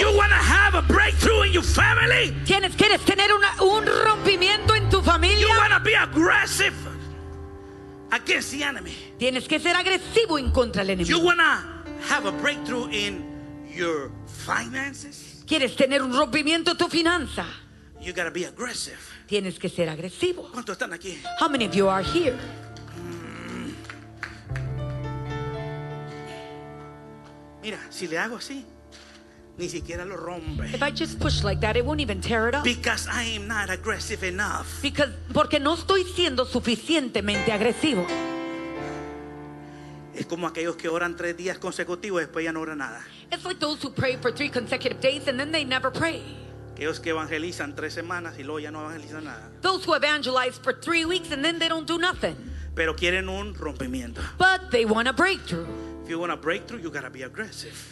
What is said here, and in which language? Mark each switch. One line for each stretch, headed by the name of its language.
English: You wanna have a breakthrough in your family?
Spanish: Tienes que tener un rompimiento en tu familia.
English: You wanna be aggressive against the enemy?
Spanish: Tienes que ser agresivo en contra del enemigo.
English: You wanna have a breakthrough in your finances?
Spanish: Quieres tener un rompimiento en tu finanza.
English: You gotta be aggressive.
Spanish: Tienes que ser agresivo. ¿Cuántos están aquí?
English: How many of you are here?
Spanish: Mira, si le hago así, ni siquiera lo rompe.
English: If I just push like that, it won't even tear it up. Because I am not aggressive enough.
Spanish: Porque no estoy siendo suficientemente agresivo. Es como aquellos que oran 3 días consecutivos y después ya no oran nada.
English: It's like those who pray for 3 consecutive days and then they never pray.
Spanish: Aquellos que evangelizan 3 semanas y luego ya no evangelizan nada.
English: Those who evangelize for 3 weeks and then they don't do nothing.
Spanish: Pero quieren un rompimiento.
English: But they want a breakthrough. If you want a breakthrough, you gotta be aggressive.